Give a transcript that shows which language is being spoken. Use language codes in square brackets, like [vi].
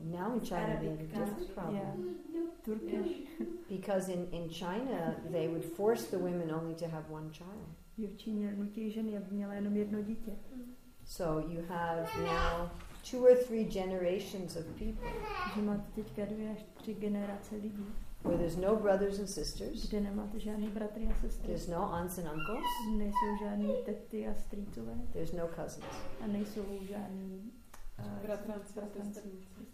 [en] Now in China they have a different problem. Yeah. Turkish. Because in China they would force the women only to have one child. [cs] Jo, v Číně nutí ženy, aby měla jenom jedno dítě. [en] So you have now two or three generations of people. [cs] Že máte teďka dvě až tři generace lidí. [en] Where there's no brothers and sisters. [cs] Kde nemáte žádný bratry a sestry. [en] There's no aunts and uncles. [cs] Nejsou žádný tety a strýcové. [en] There's no cousins. [cs] A nejsou žádný bratranci.